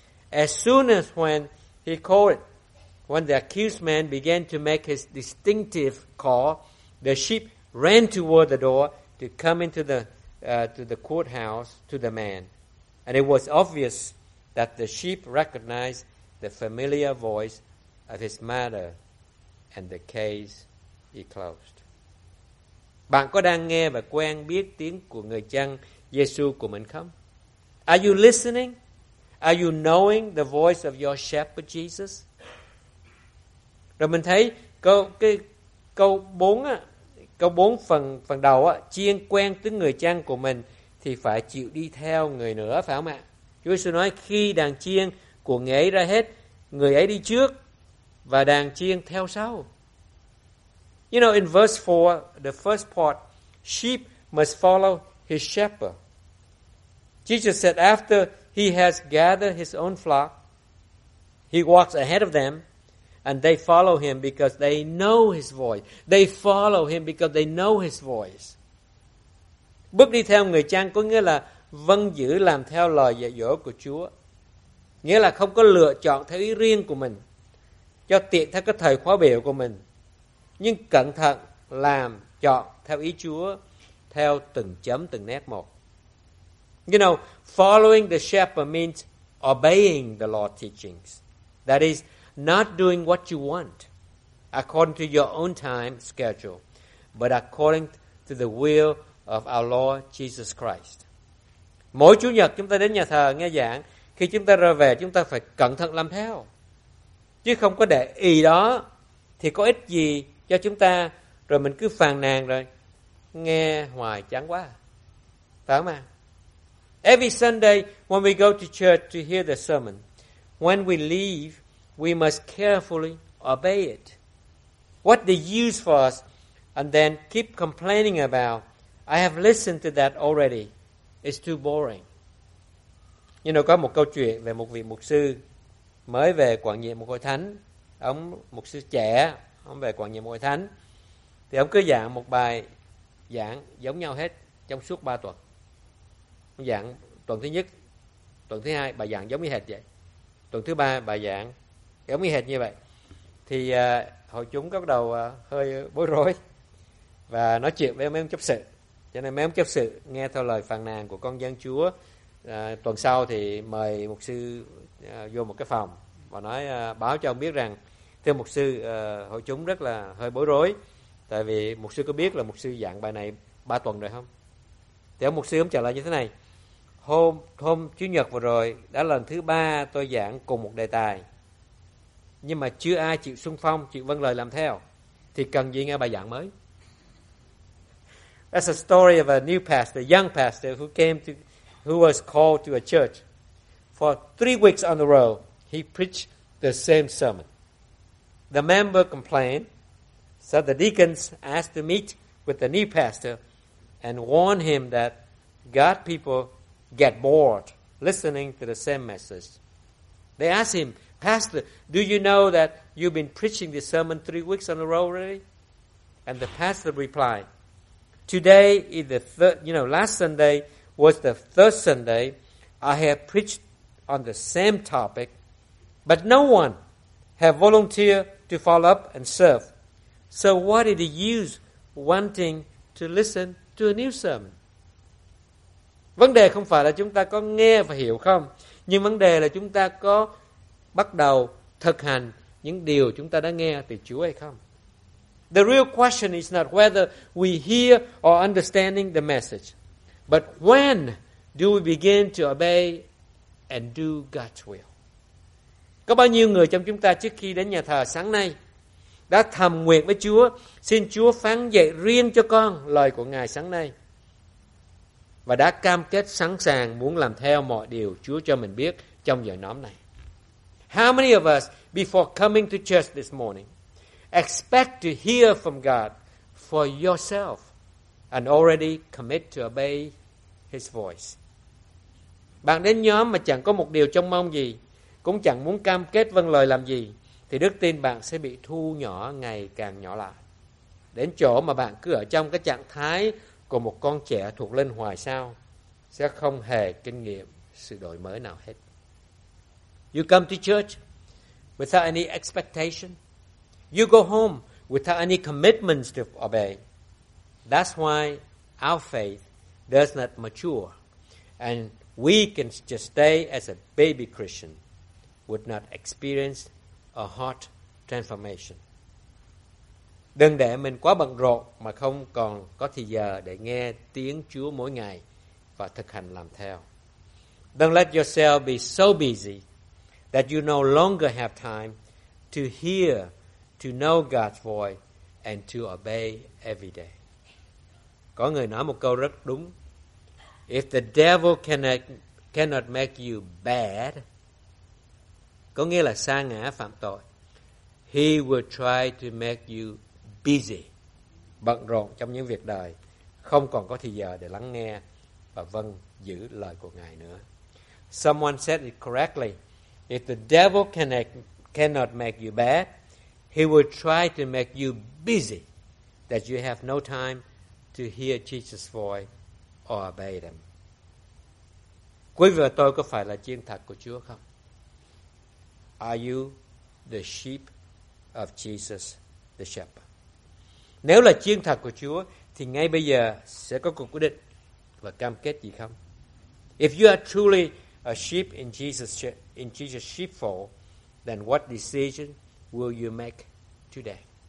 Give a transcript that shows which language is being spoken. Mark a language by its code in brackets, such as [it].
[en] As soon as when he called, when the accused man began to make his distinctive call, the sheep ran toward the door to come into the courthouse to the man. And it was obvious that the sheep recognized the familiar voice of his master, and the case he closed. [vi] Bạn có đang nghe và quen biết tiếng của người chăn Giêsu của mình không? [en] Are you listening? Are you knowing the voice of your shepherd Jesus? [vi] Rồi mình thấy câu 4 phần đầu á, chiên quen tiếng người chăn của mình thì phải chịu đi theo người nữa, phải không ạ? Chúa Giêsu nói khi đàn chiên của người ấy ra hết. Người ấy đi trước và đàn chiên theo sau. [en] You know, in verse 4, the first part, sheep must follow his shepherd. Jesus said, after he has gathered his own flock, he walks ahead of them, and they follow him because they know his voice. They follow him because they know his voice. [vi] Bước đi theo người chăn có nghĩa là vâng giữ làm theo lời dạy dỗ của Chúa. Nghĩa là không có lựa chọn theo ý riêng của mình, cho tiện theo cái thời khóa biểu của mình, nhưng cẩn thận làm chọn theo ý Chúa, theo từng chấm từng nét một. [en] You know, following the shepherd means obeying the Lord's teachings. That is, not doing what you want according to your own time schedule, but according to the will of our Lord Jesus Christ. [vi] Mỗi Chủ nhật chúng ta đến nhà thờ nghe giảng, khi chúng ta ra về chúng ta phải cẩn thận làm theo, chứ không có để ý đó thì có ích gì cho chúng ta, rồi mình cứ phàn nàn rồi nghe hoài chán quá, phải không ạ? [en] Every Sunday when we go to church to hear the sermon, when we leave, we must carefully obey it. What the use for us, and then keep complaining about, I have listened to that already, it's too boring. You know, [vi] có một câu chuyện về một vị mục sư mới về quản nhiệm một hội thánh. Ông mục sư trẻ, ông về quản nhiệm một hội thánh. Thì ông cứ giảng một bài giảng giống nhau hết trong suốt 3 tuần. Ông giảng tuần thứ nhất, tuần thứ hai bài giảng giống như hệt vậy. Tuần thứ ba bài giảng giống như hệt như vậy. Thì hội chúng bắt đầu hơi bối rối và nói chuyện với mấy ông chấp sự. Cho nên mấy ông chấp sự nghe theo lời phàn nàn của con dân Chúa. Tuần sau thì mời mục sư vô một cái phòng và nói báo cho ông biết rằng, thưa mục sư, hội chúng rất là hơi bối rối, tại vì mục sư có biết là mục sư giảng bài này 3 tuần rồi không? Thì ông mục sư ông trả lời như thế này: hôm Chủ nhật vừa rồi đã lần thứ 3 tôi giảng cùng một đề tài, nhưng mà chưa ai chịu xung phong, chịu vâng lời làm theo, thì cần gì nghe bài giảng mới? [en] That's a story of a new pastor, a young pastor who came to, who was called to a church. For 3 weeks on the road, he preached the same sermon. The member complained, so the deacons asked to meet with the new pastor and warned him that God's people get bored listening to the same message. They asked him, Pastor, do you know that you've been preaching this sermon 3 weeks on the road already? And the pastor replied, today is the third, you know, last Sunday was the third Sunday I have preached on the same topic, but no one have volunteered to follow up and serve. So what is the use wanting to listen to a new sermon? [vi] Vấn đề không phải là chúng ta có nghe và hiểu không, nhưng vấn đề là chúng ta có bắt đầu thực hành những điều chúng ta đã nghe từ Chúa hay không. [en] The real question is not whether we hear or understanding the message, but when do we begin to obey and do God's will? [vi] Có bao nhiêu người trong chúng ta trước khi đến nhà thờ sáng nay đã thầm nguyện với Chúa, xin Chúa phán dạy riêng cho con lời của Ngài sáng nay, và đã cam kết sẵn sàng muốn làm theo mọi điều Chúa cho mình biết trong giờ nhóm này? [en] How many of us, before coming to church this morning, expect to hear from God for yourself and already commit to obey His voice? [vi] Bạn đến nhóm mà chẳng có một điều trông mong gì, cũng chẳng muốn cam kết vâng lời làm gì, thì đức tin bạn sẽ bị thu nhỏ ngày càng nhỏ lại, đến chỗ mà bạn cứ ở trong cái trạng thái của một con trẻ thuộc linh hoài sao, sẽ không hề kinh nghiệm sự đổi mới nào hết. [en] You come to church without any expectation. You go home without any commitments to obey. That's why our faith does not mature, and we can just stay as a baby Christian, would not experience a heart transformation. [vi] Đừng để mình quá bận rộn mà không còn có thời giờ để nghe tiếng Chúa mỗi ngày và thực hành làm theo. [en] Don't let yourself be so busy that you no longer have time to hear, to know God's voice and to obey every day. [vi] Có người nói một câu rất đúng. [en] If the devil cannot make you bad, [vi] có nghĩa là sa ngã phạm tội. [en] He will try to make you busy. [vi] Bận rộn trong những việc đời, không còn có thời giờ để lắng nghe và vâng giữ lời của Ngài nữa. [en] Someone said it correctly. If the devil cannot make you bad, he will try to make you busy, that you have no time to hear Jesus' voice or obey them. [vi] Quý vị và tôi có phải là chiên thật của Chúa không? [en] Are you the sheep of Jesus the shepherd? [vi] Nếu là chiên thật của Chúa, thì ngay bây giờ sẽ có cuộc quyết định và cam kết gì không? [en] If you are truly a sheep in Jesus' sheepfold, then what decision will you make today?